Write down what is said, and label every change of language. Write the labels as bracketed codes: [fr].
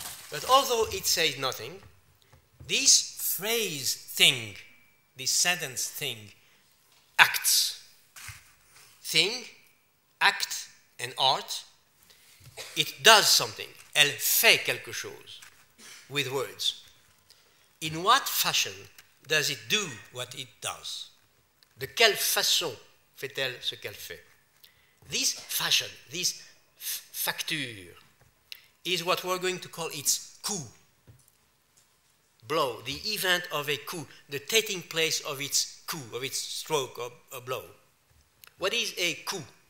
[en] But although it says nothing, this phrase thing, this sentence thing, acts. Thing, act, and art, it does something. [fr] Elle fait quelque chose [en] with words. In what fashion does it do what it does? [fr] De quelle façon fait-elle ce qu'elle fait? [en] This fashion, this facture, is what we're going to call its coup, blow, the event of a coup, the taking place of its coup, of its stroke or a blow. What is a coup?